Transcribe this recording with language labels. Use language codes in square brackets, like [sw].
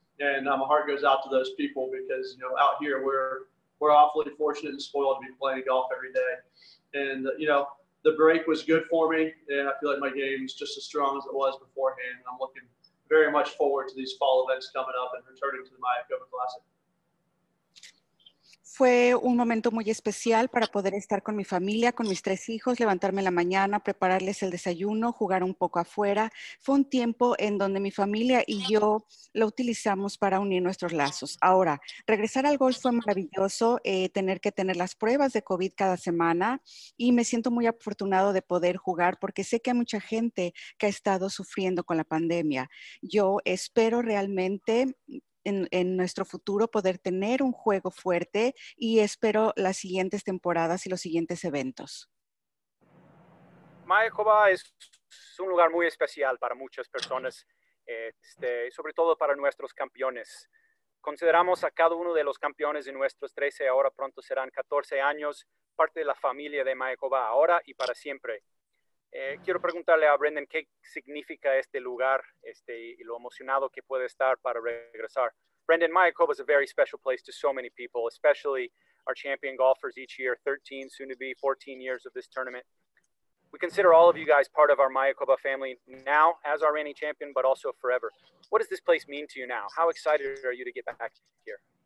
[en] And my heart goes out to those people because, you know, out here we're awfully fortunate and spoiled to be playing golf every day. And, you know, the break was good for me, and I feel like my game is just as strong as it was beforehand. And I'm looking very much forward to these fall events coming up and returning to the Mayakoba Classic. [es] Fue un momento muy especial para poder estar con mi familia, con mis tres hijos, levantarme en la mañana, prepararles el desayuno, jugar un poco afuera. Fue un tiempo en donde mi familia y yo lo utilizamos para unir nuestros lazos. Ahora, regresar al golf fue maravilloso, tener que tener las pruebas de COVID cada semana y me siento muy afortunado de poder jugar porque sé que hay mucha gente que ha estado sufriendo con la pandemia. Yo espero realmente en nuestro futuro poder tener un juego fuerte y espero las siguientes temporadas y los siguientes eventos. Mayakoba es un lugar muy especial para muchas personas, sobre todo para nuestros campeones. Consideramos a cada uno de los campeones de nuestros 13, ahora pronto serán 14 años, parte de la familia de Mayakoba ahora y para siempre. Quiero preguntarle a Brendan qué significa este lugar y lo emocionado que puede estar para regresar. [en] Brendan, Mayakoba is a very special place to so many people, especially our champion golfers each year, 13, soon to be 14 years of this tournament. We consider all of you guys part of our Mayakoba family now as our reigning champion, but also forever. What does this place mean to you now? How excited are you to get back here?